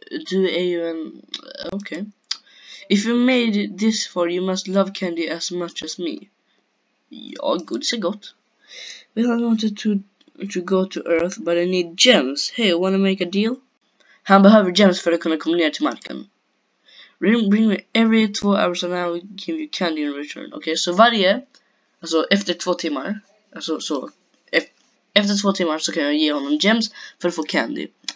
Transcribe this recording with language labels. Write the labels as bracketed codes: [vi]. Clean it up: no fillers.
[sv] Du är ju en... Okej. [en] If you made this for, you must love candy as much as me. [sv] Ja, godis är gott. [en] Well, I wanted to go to Earth, but I need gems. Hey, wanna make a deal? [sv] Han behöver gems för att kunna komma ner till marken. [en] Bring me every 2 hours and I will give you candy in return. [sv] Okej, okay, så varje, alltså efter 2 timmar, alltså så, efter 2 timmar så kan jag ge honom gems för att få candy.